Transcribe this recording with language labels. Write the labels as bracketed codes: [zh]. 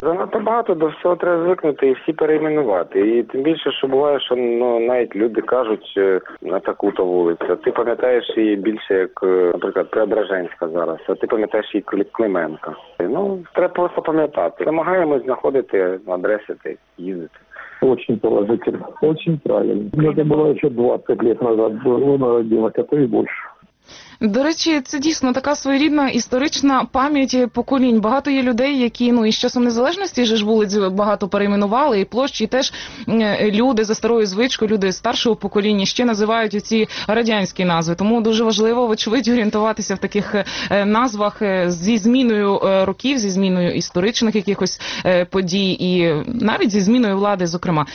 [uk] Занадто багато до всього треба звикнути і всі перейменувати. І тим більше, що буває, що, ну, навіть люди кажуть на таку-то вулицю. Ти пам'ятаєш її більше, як, наприклад, Преображенська зараз, а ти пам'ятаєш її Клименка. Ну, треба просто пам'ятати. Намагаємось знаходити адреси та їздити. [ru] Очень положительно, очень правильно. Это было еще 20 лет назад, было на делать, а то и больше. [uk] До речі, це дійсно така своєрідна історична пам'ять поколінь. Багато є людей, які, ну, і з часом незалежності вже ж вулиць багато перейменували, і площі, і теж люди за старою звичкою, люди старшого покоління ще називають оці радянські назви. Тому дуже важливо, вочевидь, орієнтуватися в таких назвах зі зміною років, зі зміною історичних якихось подій, і навіть зі зміною влади, зокрема.